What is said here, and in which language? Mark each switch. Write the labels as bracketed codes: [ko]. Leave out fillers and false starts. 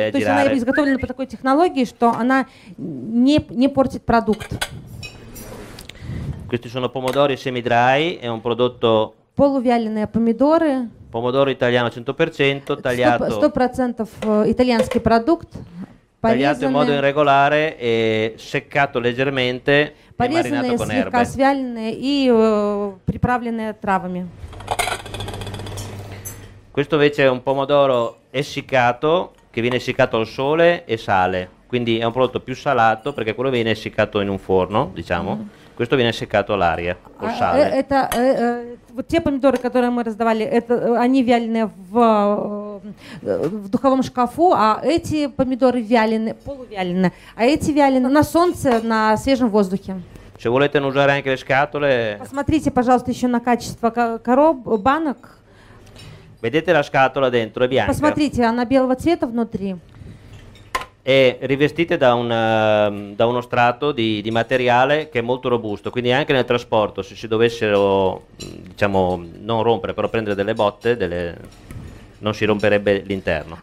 [ru] То есть она изготовлена по такой технологии, что она не портит продукт. [it] Questi sono pomodori semi dry, è un prodotto. [ru] Полувяленые помидоры. Помидоры итальяно 100%, тагliato. 100% итальянский продукт. [it] Tagliato in modo irregolare e seccato leggermente e marinato con erbe. [ru] Порезанные, слегка свяленные и приправленные травами. [it] Questo invece è un pomodoro essiccato che viene essiccato al sole e sale. Quindi è un prodotto più salato perché quello viene essiccato in un forno, diciamo. Questo viene essiccato all'aria, col sale. [ru] Вот те помидоры, которые мы раздавали, это они вяленые в духовом шкафу, а эти помидоры вяленые, полувяленые, а эти вяленые на солнце, на свежем воздухе. [it] Se volete non usare anche le scatole. [ru] Посмотрите, пожалуйста, еще на качество банок. [it] Vedete la scatola dentro, è bianca. [ru] Посмотрите, она белого цвета внутри. [it] E rivestite da uno strato di materiale che è molto robusto, quindi anche nel trasporto, se si dovessero, diciamo, non rompere, però prendere delle botte, non si romperebbe l'interno.